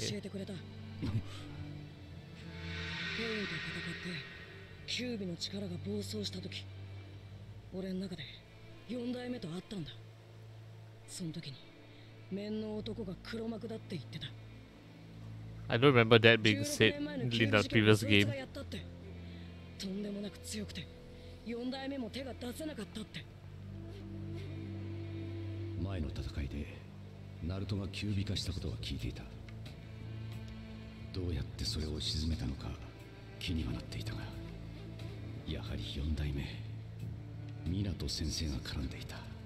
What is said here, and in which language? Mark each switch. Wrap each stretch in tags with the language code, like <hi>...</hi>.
<ja>教えてくれた。ペインと戦ってキュービの力が暴走した時、俺の中で四代目と会ったんだ。その時に面の男が黒幕だって言ってた。</ja> <en>I don't remember that being said in that previous game.</en> <ja>とんでもなく強くて、四代目も手が出せなかったって。前の戦いでナルトが九尾化したことは聞いていた。どうやってそれを沈めたのか気にはなっていたが、やはり四代目湊先生が絡んでいた。</ja>